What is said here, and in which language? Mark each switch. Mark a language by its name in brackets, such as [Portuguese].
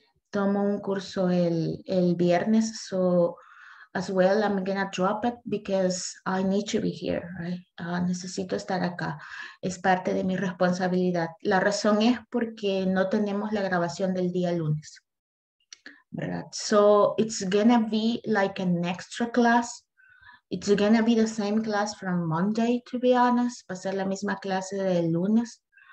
[Spanish] Tomo un curso el viernes, [English] so as well I'm gonna drop it because I need to be here, right? [Spanish] Necesito estar acá. Es parte de mi responsabilidad. La razón es porque no tenemos la grabación del día lunes, ¿verdad? [English] So it's gonna be like an extra class. It's gonna be the same class from Monday, to be honest. [Spanish] Va a ser la misma clase del lunes.